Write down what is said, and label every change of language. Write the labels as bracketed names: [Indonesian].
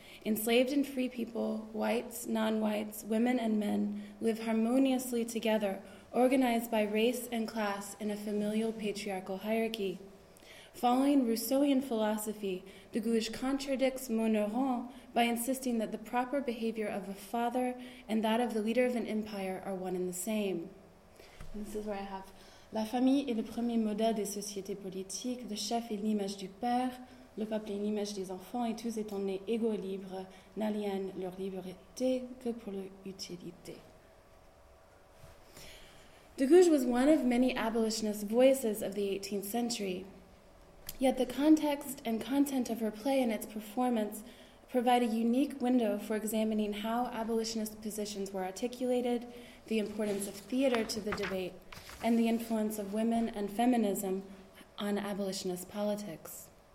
[English] Enslaved and free people, whites, non-whites, women and men, live harmoniously together, organized by race and class in a familial patriarchal hierarchy. Following Rousseauian philosophy, de Gouges contradicts Monneron by insisting that the proper behavior of a father and that of the leader of an empire are one and the same. And this is where I have, [French] la famille est le premier modèle des sociétés politiques, le chef est l'image du père, le peuple est l'image des enfants, et tous étant nés égaux libres, n'aliènent leur liberté que pour leur utilité. [English] De Gouges was one of many abolitionist voices of the 18th century. Yet the context and content of her play and its performance provide a unique window for examining how abolitionist positions were articulated, the importance of theater to the debate, and the influence of women and feminism on abolitionist politics.